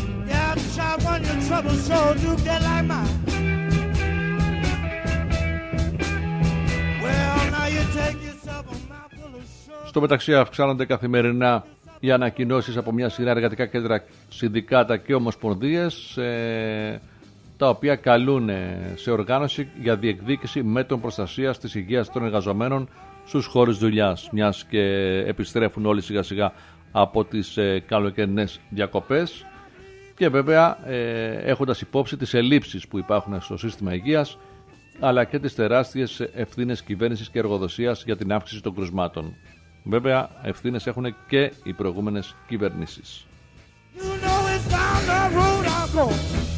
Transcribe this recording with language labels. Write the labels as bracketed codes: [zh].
[en] Yeah, child, when your troubles show, do get like mine. Well, now you take yourself a mouthful of sugar. [el] Στο μεταξύ, αυξάνονται καθημερινά οι ανακοινώσεις από μια σειρά εργατικά κέντρα, συνδικάτα και ομοσπονδίες, τα οποία καλούν σε οργάνωση για διεκδίκηση μέτρων προστασίας της υγείας των εργαζομένων στους χώρους δουλειάς, μιας και επιστρέφουν όλοι σιγά σιγά από τις καλοκαιρινές διακοπές και βέβαια έχοντας υπόψη τις ελλείψεις που υπάρχουν στο σύστημα υγείας αλλά και τις τεράστιες ευθύνες κυβέρνησης και εργοδοσίας για την αύξηση των κρουσμάτων. Βέβαια ευθύνες έχουν και οι προηγούμενες κυβερνήσεις. [en] You know it's down the road I'll go.